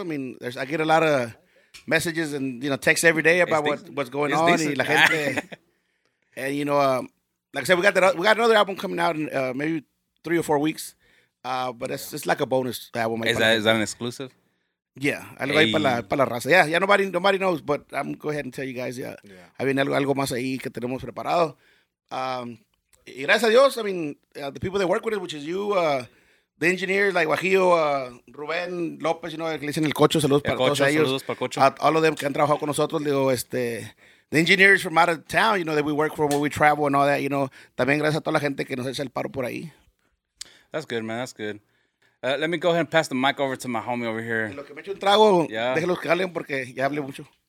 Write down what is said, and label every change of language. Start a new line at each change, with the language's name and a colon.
English: I mean, I get a lot of messages and, you know, texts every day about what's going on. Decent.
Spanish: Y la gente,
English: and, you know, like I said, we got another album coming out in maybe 3 or 4 weeks. But it's just like a bonus album. Is that an exclusive?
Spanish: Yeah, algo ahí para la raza.
English: Yeah, yeah, nobody knows, but I'm going to go ahead and tell you guys. Yeah.
Spanish: Hay bien algo más ahí que tenemos preparado. Y gracias a Dios,
English: I mean, the people that work with it, which is you, the engineers, like Guajillo, Rubén López, you know,
Spanish: que le dicen el Cocho, saludos para todos ellos. Saludos para Cocho.
English: All of them
Spanish: que han trabajado con nosotros, digo,
English: the engineers from out of town, you know, that we work for when we travel and all that, you know.
Spanish: También gracias a toda la gente que nos echa el paro por ahí.
English: That's good, man, that's good. Let me go ahead and pass the mic over to my homie over here.
Spanish: Lo que me echo un trago, déjenlos que hablen porque ya hablé mucho.